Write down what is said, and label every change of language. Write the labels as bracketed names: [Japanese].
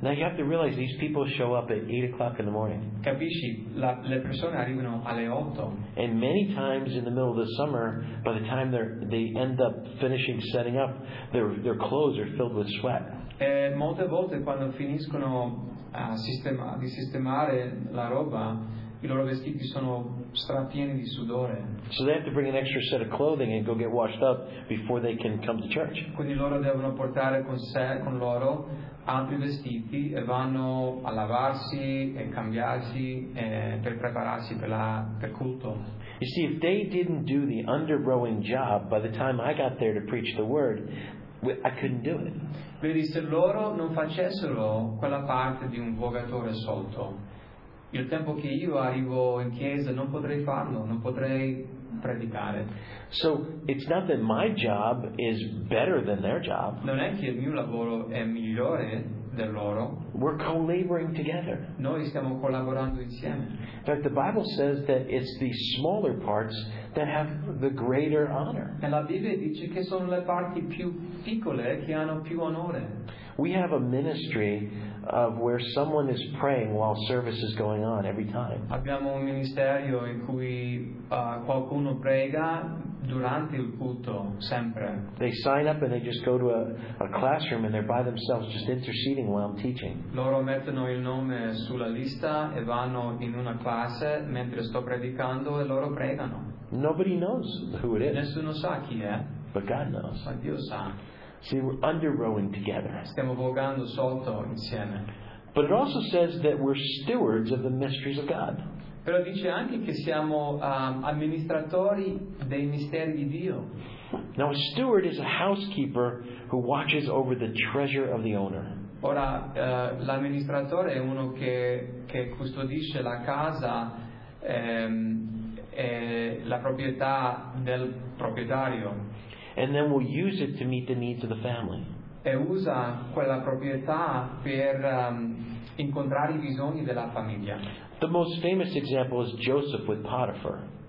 [English] Now you have to realize these people show up at 8 o'clock in the morning. [Italian] Capisci? Le persone arrivano alle 8. [English] And many times in the middle of the summer, by the time they end up finishing setting up, their clothes are filled with sweat. [Italian] E molte volte quando finiscono di sistemare la roba, i loro vestiti sono strapieni di sudore. [English] So they have to bring an extra set of clothing and go get washed up before they can come to church. [Italian] Quindi loro devono portare con loro altri vestiti e vanno a lavarsi e cambiarsi e per prepararsi per culto. [English] You see, if they didn't do the under-rowing job by the time I got there to preach the word, I couldn't do it. [Italian] Vedi, se loro non facessero quella parte di un vogatore solto, il tempo che io arrivo in chiesa non potrei farlo, non potrei predicare. [English] So it's not that my job is better than their job. [Italian] Non è che il mio lavoro è migliore del loro. [English] We're collaborating together. [Italian] Noi stiamo collaborando insieme. [English] In fact, the Bible says that it's the smaller parts that have the greater honor. [Italian] E la Bibbia dice che sono le parti più piccole che hanno più onore. [English] We have a ministry of where someone is praying while service is going on every time. [Italian] Abbiamo un ministerio in cui qualcuno prega durante il culto sempre. [English] They sign up and they just go to a classroom and they're by themselves just interceding while I'm teaching. [Italian] Loro mettono il nome sulla lista e vanno in una classe mentre sto predicando e loro pregano. [English] Nobody knows who it is. [Italian] Nessuno sa chi è. [English] But God knows. [Italian] Ma Dio sa. [English] See, we're under-rowing together. [Italian] Stiamo vogando sotto insieme. [English] But it also says that we're stewards of the mysteries of God. [Italian] Però dice anche che siamo amministratori dei misteri di Dio. [English] Now a steward is a housekeeper who watches over the treasure of the owner. [Italian] Ora l'amministratore è uno che custodisce la casa e la proprietà del proprietario. [English] And then we'll use it to meet the needs of the family. [Italian] E usa quella proprietà per incontrare i bisogni della famiglia. [English] The most famous example is Joseph with Potiphar.